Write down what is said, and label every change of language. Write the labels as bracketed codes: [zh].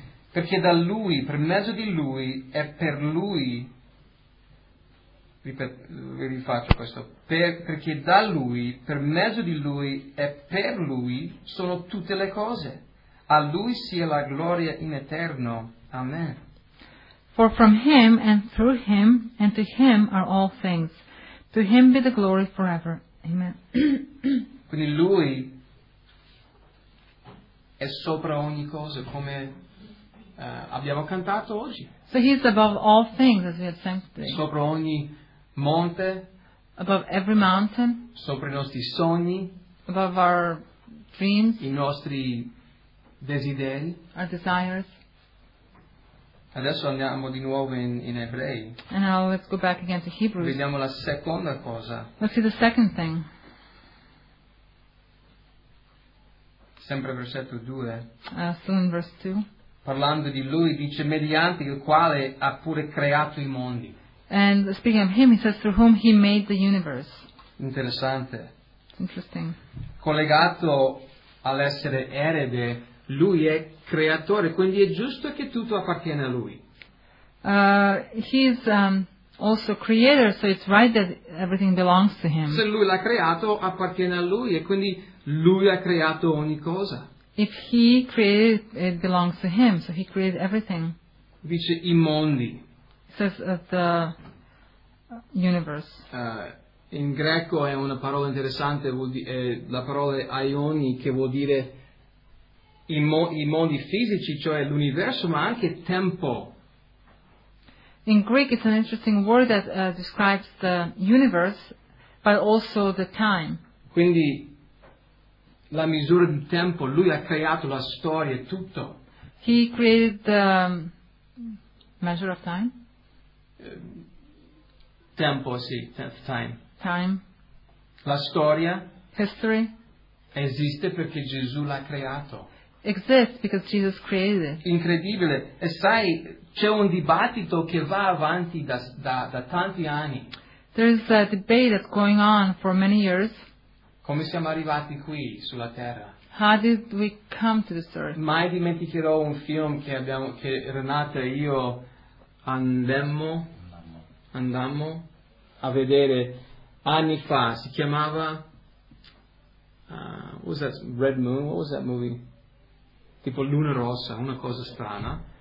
[it] Perché da Lui, per mezzo di Lui, è per Lui... Rifaccio questo. Perché da Lui, per mezzo di Lui e per Lui sono tutte le cose. A Lui sia la gloria in eterno. Amen. [en] For from Him and through Him and to Him are all things. To Him be the glory forever. Amen. [it] Quindi Lui è sopra ogni cosa, come abbiamo cantato oggi. [en] So He is above all things, as we have sang today. [it] Sopra ogni monte, [en] above every mountain, [it] sopra i nostri sogni, [en] above our dreams, [it] i nostri desideri, [en] our desires. [it] Adesso andiamo di nuovo in Ebrei. [en] And now let's go back again to Hebrews. [it] Vediamo la seconda cosa. [en] Let's see the second thing. [it] Sempre versetto 2. [en] Still in verse 2. [it] Parlando di Lui, dice, mediante il quale ha pure creato i mondi. [en] And speaking of Him, He says, through whom He made the universe. [it] Interessante. [en] Interesting. [it] Collegato all'essere erede, Lui è creatore, quindi è giusto che tutto appartiene a Lui. [en] He is also creator, so it's right that everything belongs to Him. [it] Se Lui l'ha creato, appartiene a Lui, e quindi Lui ha creato ogni cosa. [en] If He created, it belongs to Him, so He created everything. [it] Dice i mondi. [en] Says of the universe. [it] In greco è una parola interessante, è la parola aioni, che vuol dire i mondi fisici, cioè l'universo, ma anche tempo. [en] In Greek it's an interesting word that describes the universe, but also the time. [it] Quindi la misura di tempo, Lui ha creato la storia, tutto. [en] He created the measure of time. [it] Tempo, sì, time. [en] Time. [it] La storia. [en] History. [it] Esiste perché Gesù l'ha creato. [en] Exists because Jesus created it. [it] Incredibile. E sai, c'è un dibattito che va avanti da tanti anni. [en] There is a debate that's going on for many years. [it] Come siamo arrivati qui sulla terra? [en] How did we come to this earth? [it] Mai dimenticherò un film che Renata e io andammo a vedere anni fa, si chiamava [en] what was that, [it] Red Moon, [en] what was that movie, [it] tipo Luna Rossa, una cosa strana.